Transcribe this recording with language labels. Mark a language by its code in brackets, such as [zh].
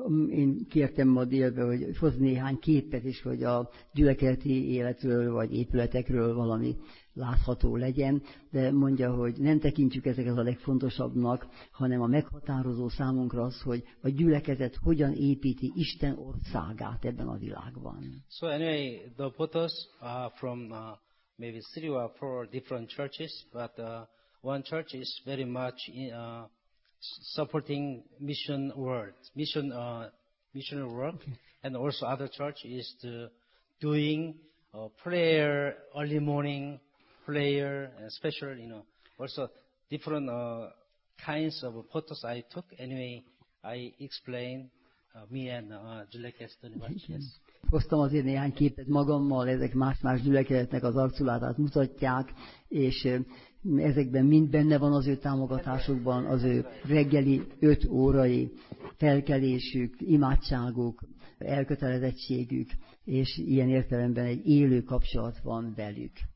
[hu] Én kértem ma délbe, hogy hozz néhány képet is, hogy a gyülekezeti életről vagy épületekről valami látható legyen, de mondja, hogy nem tekintjük ezeket a legfontosabbnak, hanem a meghatározó számunkra az, hogy a gyülekezet hogyan építi Isten országát ebben a világban. [en] So anyway, the photos are from maybe three or four different churches, but one church is very much supporting missionary work, and also other church is doing prayer early morning prayer, and special also different kinds of photos I took. Anyway, I explain me and [hu] Gyülekezeti Nevadás. Hoztam azért néhány képet magammal, ezek más-más gyülekezetnek az arculatát mutatják, és ezekben mind benne van az ő támogatásukban, az ő reggeli 5 órai felkelésük, imádságuk, elkötelezettségük, és ilyen értelemben egy élő kapcsolat van velük.